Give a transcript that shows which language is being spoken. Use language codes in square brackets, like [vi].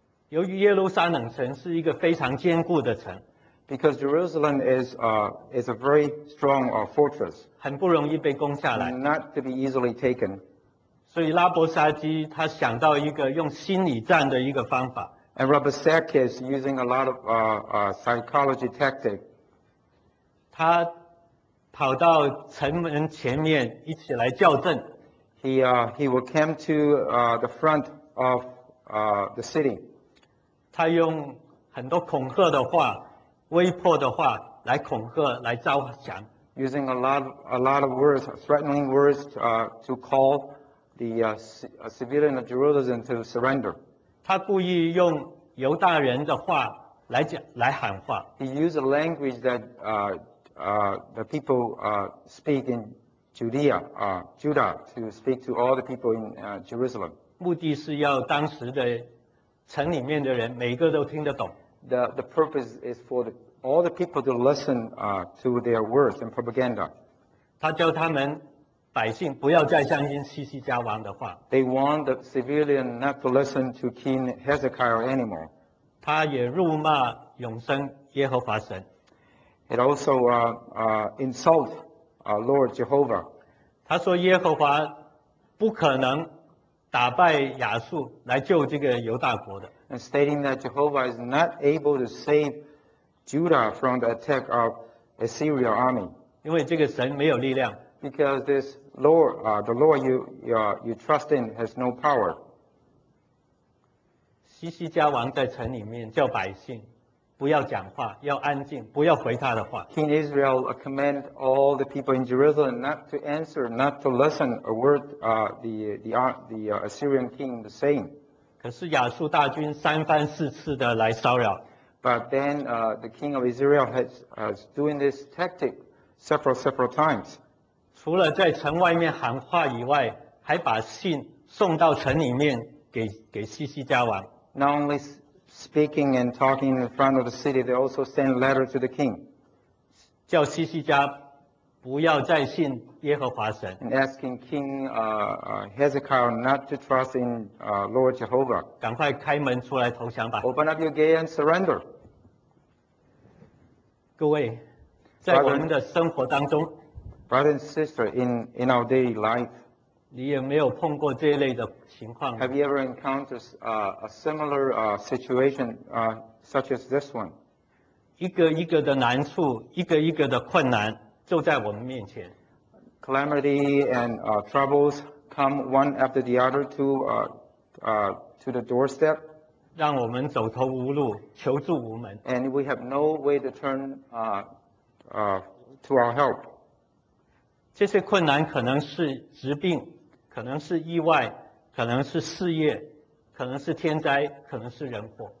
[zh] 由于耶路撒冷城是一个非常坚固的城。 [en] Because Jerusalem is a very strong fortress. [zh] 很不容易被攻下来。 [en] Not to be easily taken. [zh] 所以拉伯沙基他想到一个用心理战的一个方法。 [en] And Rabshakeh is using a lot of psychology tactic. [zh] 他跑到城门前面一起来叫阵。 [en] He will come to the front of the city. [zh] 他用很多恐吓的话、威迫的话来恐吓、来招降。 [en] Using a lot of words, threatening words, to call the civilian of Jerusalem to surrender. [zh] 他故意用犹大人的话来喊话。 [en] He used a language that the people speak in Judea, Judah, to speak to all the people in Jerusalem. [zh] 目的是要当时的城里面的人每个都听得懂。 [en] The purpose is for all the people to listen to their words and propaganda. [zh] 他叫他们百姓不要再相信西西家王的话。 [en] They warned the civilian not to listen to King Hezekiah anymore. [zh] 他也辱骂永生耶和华神。 [en] It also insult Lord Jehovah. [zh] 他说耶和华不可能打败亚述来救这个犹大国的。 [en] And stating that Jehovah is not able to save Judah from the attack of Assyria army. [zh] 因为这个神没有力量。 [en] Because this Lord, the Lord you trust in has no power. [zh] 西西家王在城里面叫百姓不要讲话，要安静，不要回他的话。 [en] King Israel command all the people in Jerusalem not to answer, not to listen a word the Assyrian king is saying. [zh] 可是亚述大军三番四次的来骚扰。 [en] But then the king of Israel has doing this tactic several times. [zh] 除了在城外面喊话以外，还把信送到城里面给西西家王。 [en] Not only speaking and talking in front of the city, they also sent a letter to the king. [zh] 叫西西家不要再信耶和华神。 [en] And asking King Hezekiah not to trust in Lord Jehovah. [zh] 赶快开门出来投降吧。 [en] Open up your gate and surrender. [zh] 各位，在我们的生活当中 [en] ，Brother and sister, in our daily life. [zh] 你有没有碰过这一类的情况 [en] ？Have you ever encountered a similar situation such as this one? [zh] 一个一个的难处，一个一个的困难。就在我们面前 [en] ，calamity and troubles come one after the other to the doorstep， [zh] 让我们走投无路，求助无门 [en] ，and we have no way to turn to our help。 [zh] 这些困难可能是疾病，可能是意外，可能是事业，可能是天灾，可能是人祸。